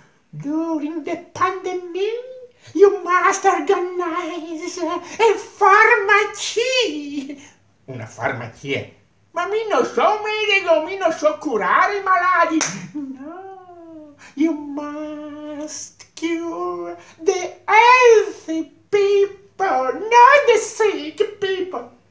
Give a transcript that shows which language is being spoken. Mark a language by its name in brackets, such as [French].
[English] During the pandemic, you must organize a pharmacy. [Italian] Una farmacia? Ma mi non so medico, mi non so curare i malati. [English] No, you must cure the healthy people, not the sick people.